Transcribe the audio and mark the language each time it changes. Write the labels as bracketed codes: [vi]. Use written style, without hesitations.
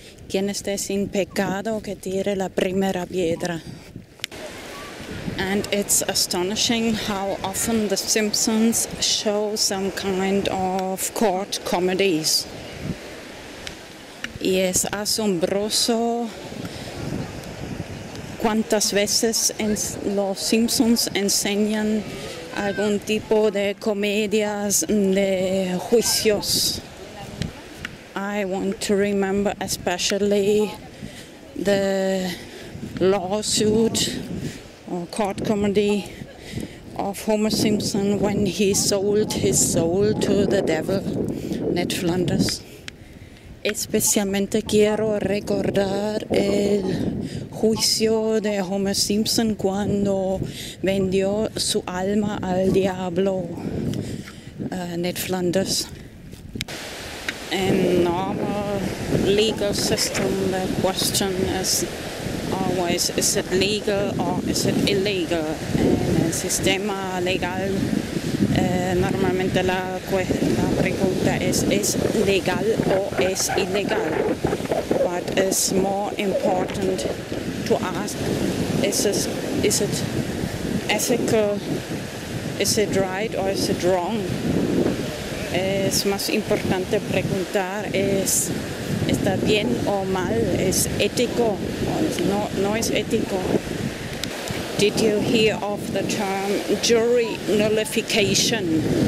[es] quién esté sin pecado que tire la primera piedra. [en] And it's astonishing how often The Simpsons show some kind of court comedies. [es] Y es asombroso cuántas veces en los Simpsons enseñan algún tipo de comedias de juicios. [en] I want to remember especially the lawsuit or court comedy of Homer Simpson when he sold his soul to the devil, Ned Flanders. [es] Especialmente quiero recordar el juicio de Homer Simpson cuando vendió su alma al diablo, Ned Flanders. [en] In normal legal system, the question is always, is it legal or is it illegal? [es] En el sistema legal, normalmente la pregunta es legal o es ilegal? [en] But it's more important to ask, is it ethical? Is it right or is it wrong? [es] Es más importante preguntar, ¿está bien o mal? ¿Es ético? No es ético. [en] Did you hear of the term jury nullification?